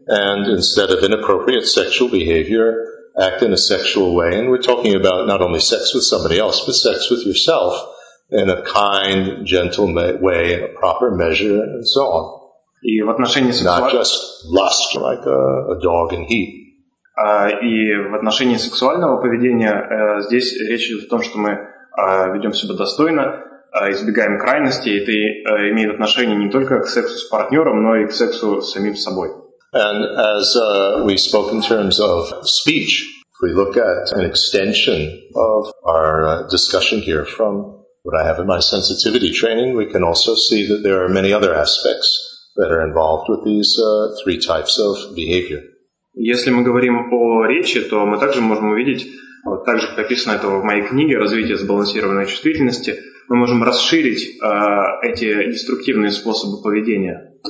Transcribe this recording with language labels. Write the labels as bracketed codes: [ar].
[en] And instead of inappropriate sexual behavior, act in a sexual way. And we're talking about not only sex with somebody else, but sex with yourself in a kind, gentle way, in a proper measure, and so on. [ru] И в отношении сексуальности... [en] Not just lust, like a dog in heat. [ru] И в отношении сексуального поведения здесь речь идет о том, что мы ведем себя достойно, избегаем крайностей. Это имеет отношение не только к сексу с партнером, но и к сексу с самим собой. [en] And as we spoke in terms of speech, if we look at an extension of our discussion here from what I have in my sensitivity training, we can also see that there are many other aspects that are involved with these three types of behavior. [ru] Если мы говорим о речи, то мы также можем увидеть, вот также описано это в моей книге «Развитие сбалансированной чувствительности», мы можем расширить эти деструктивные способы поведения.